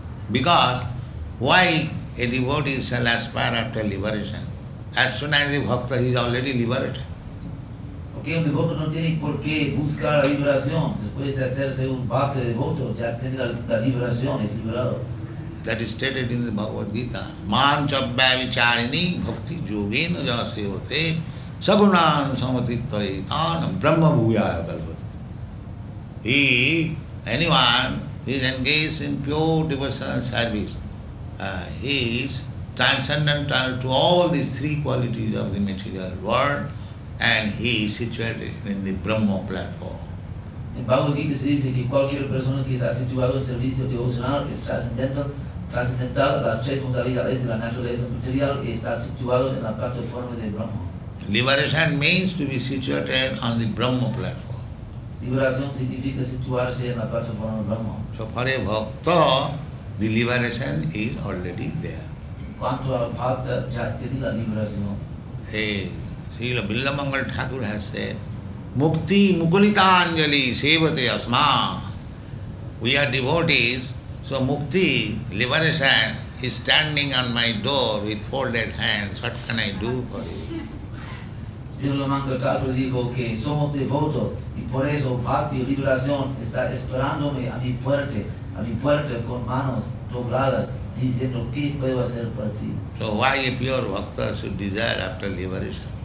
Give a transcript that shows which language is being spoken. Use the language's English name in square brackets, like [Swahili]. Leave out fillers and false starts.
[English] Because why a devotee shall aspire after liberation? As soon as a bhakta, he is already liberated. [Spanish] Porque un devoto no tiene por qué buscar la liberación. Después de hacerse un bhakta devoto, ya tiene la liberación, es liberado. [English] that is stated in the Bhagavad Gita. [Sanskrit] Man chabhya vicharini bhakti yogena ja sevate sagunan samatittvaitanam brahma bhuyaya kalpate. [English] He, anyone who is engaged in pure devotional service, he is transcendental to all these three qualities of the material world and he is situated in the Brahma platform. [Spanish] En Bhagavad Gita se dice que cualquier persona que está situado en servicio devocional es trascendental a las tres modalidades de la naturaleza material y está situado en la plataforma de Brahma. [English] Liberation means to be situated on the Brahma platform. [Spanish] Liberación significa situarse en la plataforma de Brahma. [English] So for a bhakta, the liberation is already there. [Spanish] Cuanto al bhakta, ya tiene la liberación. [English] Hey, Srila Billamangal Thakur has said, [Sanskrit] Mukti Mukulita Anjali Sevate Asma. [English] We are devotees, so Mukti, liberation, is standing on my door with folded hands. What can I do for you? [Spanish] Srila Mangal Thakur dijo que somos devotos y por eso Bhakti Liberación está esperándome a mi puerta con manos dobladas, diciendo, ¿qué puedo hacer por ti? [English] So why a pure bhakta should desire after liberation?